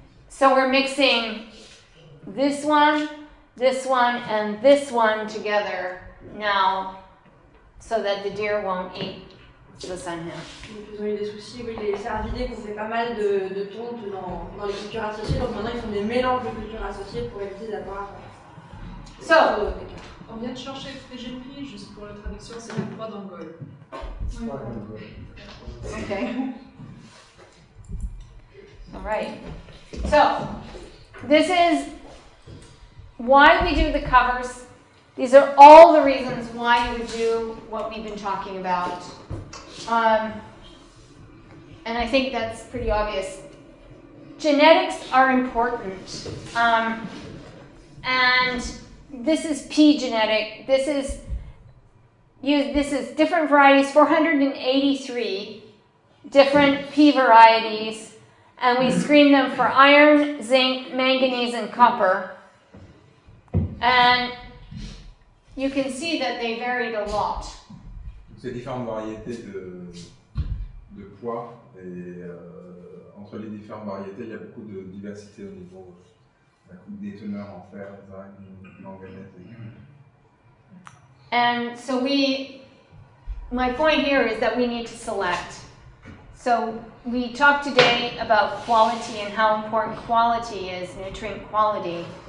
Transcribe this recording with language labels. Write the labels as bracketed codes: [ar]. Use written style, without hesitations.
[en] So we're mixing this one, and this one together now so that the deer won't eat the same here. [fr] Donc ils ont eu des soucis, oui, les cervidés qui ont fait pas mal de tonte dans les cultures associées, donc maintenant ils font des mélanges de cultures associées pour éviter d'avoir... [en] So, [fr] on vient de chercher le TGP, juste pour la traduction, c'est la croix d'Angole. Ok. [en] All right. So, this is why we do the covers. These are all the reasons why you do what we've been talking about. And I think that's pretty obvious. Genetics are important. And this is P genetic. This is different varieties, 483 different P varieties. And we screen them for iron, zinc, manganese, and copper. And you can see that they varied a lot. [fr] Ces différentes variétés de pois, et entre les différentes variétés, il y a beaucoup de diversité au niveau des teneurs en fer, zinc, manganèse. [en] And so my point here is that we need to select. So we talked today about quality and how important quality is, nutrient quality.